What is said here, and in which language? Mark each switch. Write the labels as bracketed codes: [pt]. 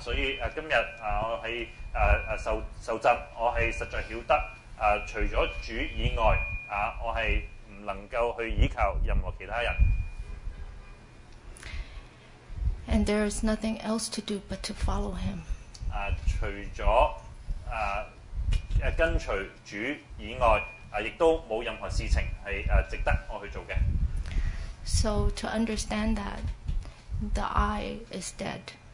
[yue] 所以今日我喺受浸，我係實在曉得除咗主以外，我係唔能夠去依靠任何其他人。 [en] And there is nothing else to do but to follow him. [yue] 除了跟隨主以外，亦都冇任何事情係值得我去做嘅。 [en] So to understand that, the I is dead.